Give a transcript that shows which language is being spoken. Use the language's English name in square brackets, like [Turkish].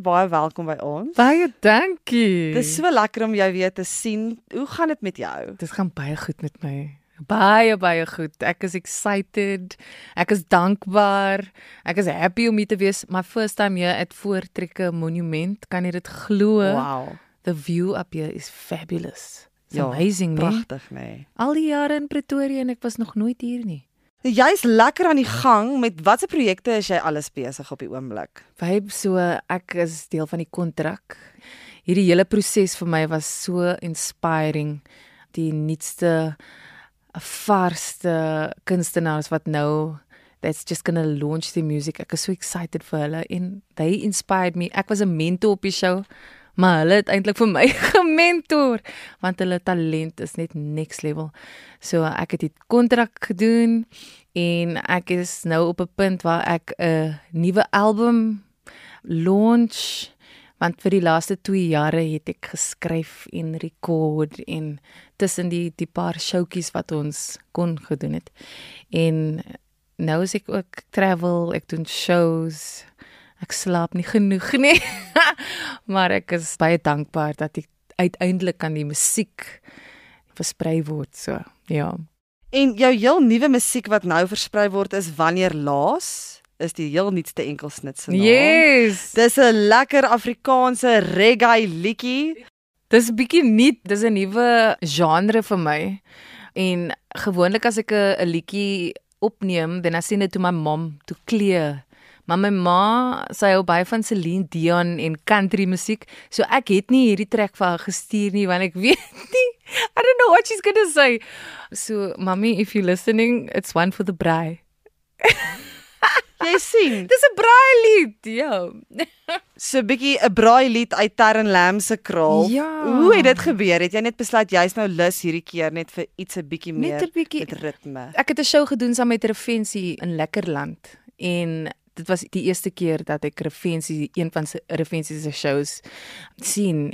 [Afrikaans] Baie welkom by ons. Baie dankie. Dis so lekker om jou weer te sien. Hoe gaan dit met jou? Dit gaan baie goed met my. Baie goed. Ek is excited. Ek is dankbaar. Ek is happy om hier te wees. [English] My first time [Afrikaans] hier at Voortrekker Monument. Kan jy dit glo? Wow. [English] The view up here is fabulous. It's ja, amazing, [Afrikaans] prachtig, nee. Al die jare in Pretoria en ek was nog nooit hier nie. Jy is lekker aan die gang. Met watse projekte is jy alles besig op die oomblik? Vibe, so ek is deel van die kontrak. Hierdie hele proses vir my was so inspiring. Die nuutste, varste kunstenaars wat nou, [English] that's just gonna launch the music. [Afrikaans] Ek is so excited vir hulle en [English] they inspired me. [Afrikaans] Ek was 'n mentor op die show, maar hulle het eintlik vir my gementor, want hulle talent is net next level. So ek het die kontrak gedoen en ek is nou op 'n punt waar ek 'n nuwe album launch, want vir die laaste 2 jare het ek geskryf en record en tussen die paar showkies wat ons kon gedoen het. En nou is ek ook travel, ek doen shows. Ek slaap nie genoeg nie, maar ek is baie dankbaar dat ek uiteindelik kan die musiek versprei word, so, ja. En jou heel nuwe musiek wat nou versprei word is Wanneer Laas, is die heel nuutste enkelsnit se naam. [English] Yes! [Afrikaans] Dis 'n lekker Afrikaanse reggae liedjie. Dis 'n bietjie nuut, dis 'n nuwe genre vir my. En gewoonlik as ek 'n liedjie opneem, dan sien dit toe my mom toe kleer. Maar my ma, sy hou baie van Celine Dion en country musiek, so ek het nie hierdie track vir haar gestuur nie, want ek weet nie, [English] I don't know what she's gonna say. So, mommy, if you're listening, it's one for the braai. [Afrikaans] Jy sien. Dis 'n braai lied, jo. So, bietjie 'n braai lied uit Terren Lam se kraal. Ja. Hoe het dit gebeur? Het jy net besluit, jy is nou lus hierdie keer net vir iets 'n bietjie meer net bykie, met ritme? Ek het 'n show gedoen saam met Revensie in Lekkerland en dit was die eerste keer dat ek Revensie, een van Revensie se shows, sien.